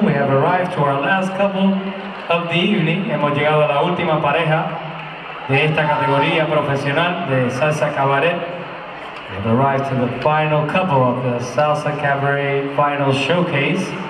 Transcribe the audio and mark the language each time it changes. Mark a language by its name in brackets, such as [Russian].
[English] We have arrived to our last couple of the evening. [Spanish] Hemos llegado a la última pareja de esta categoría profesional de Salsa Cabaret. [English] We've arrived to the final couple of the Salsa Cabaret Final Showcase.